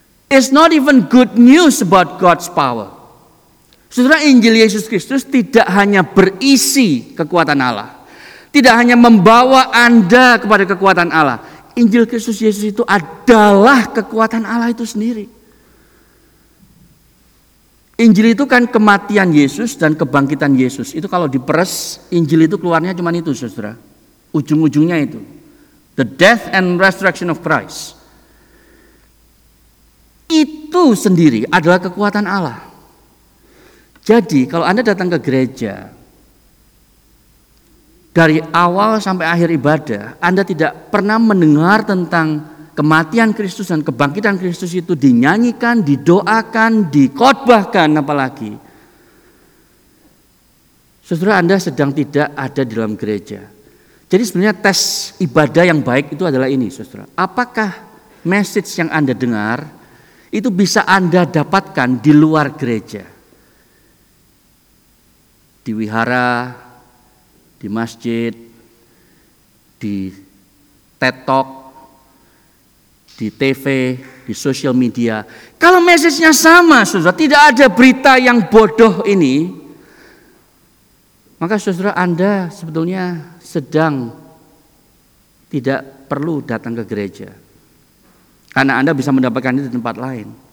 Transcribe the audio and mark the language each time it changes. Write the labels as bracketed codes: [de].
[en] It's not even good news about God's power. [id] Saudara, Injil Yesus Kristus tidak hanya berisi kekuatan Allah. Tidak hanya membawa Anda kepada kekuatan Allah. Injil Kristus Yesus itu adalah kekuatan Allah itu sendiri. Injil itu kan kematian Yesus dan kebangkitan Yesus. Itu kalau diperes, Injil itu keluarnya cuma itu, saudara. Ujung-ujungnya itu. [en] The death and resurrection of Christ. [id] Itu sendiri adalah kekuatan Allah. Jadi kalau Anda datang ke gereja, dari awal sampai akhir ibadah, Anda tidak pernah mendengar tentang kematian Kristus dan kebangkitan Kristus itu dinyanyikan, didoakan, dikhotbahkan apalagi. Saudara, Anda sedang tidak ada di dalam gereja. Jadi sebenarnya tes ibadah yang baik itu adalah ini, saudara. Apakah message yang Anda dengar itu bisa Anda dapatkan di luar gereja? Di wihara, di masjid, di TED Talk, di TV, di social media. Kalau message-nya sama, saudara, tidak ada berita yang bodoh ini, maka saudara, Anda sebetulnya sedang tidak perlu datang ke gereja. Karena Anda bisa mendapatkannya di tempat lain.